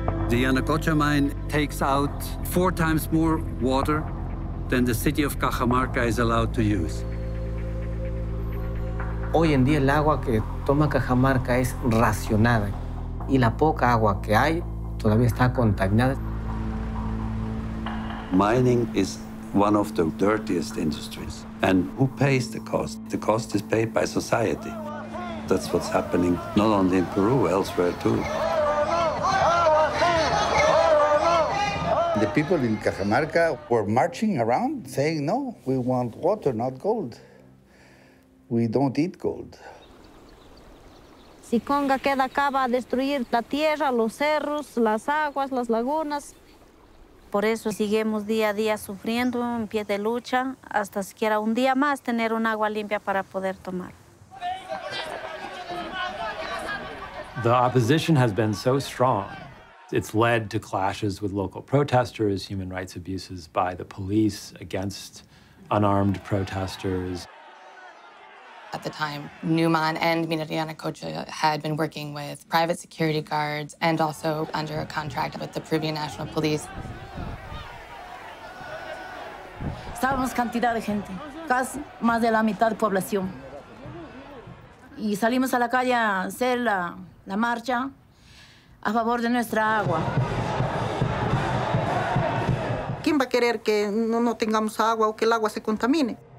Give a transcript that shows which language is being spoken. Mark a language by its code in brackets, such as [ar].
[en] The Yanacocha mine takes out 4 times more water than the city of Cajamarca is allowed to use. [es] Hoy en día el agua que toma Cajamarca es racionada y la poca agua que hay todavía está contaminada. [en] Mining is one of the dirtiest industries. And who pays the cost? The cost is paid by society. That's what's happening not only in Peru, elsewhere too. The people in Cajamarca were marching around saying, no, we want water, not gold. We don't eat gold. [es] Si Conga queda, acaba a destruir la tierra, los cerros, las aguas, las lagunas. Por eso seguimos día a día sufriendo en pie de lucha, hasta siquiera un día más tener un agua limpia para poder tomar. [en] The opposition has been so strong. It's led to clashes with local protesters, human rights abuses by the police against unarmed protesters. At the time, Newman and Minería Yanacocha had been working with private security guards and also under a contract with the Peruvian National Police. [es] Estábamos cantidad de gente, casi más de la mitad de población. Y salimos a la calle a hacer la marcha a favor de nuestra agua. ¿Quién va a querer que no tengamos agua o que el agua se contamine?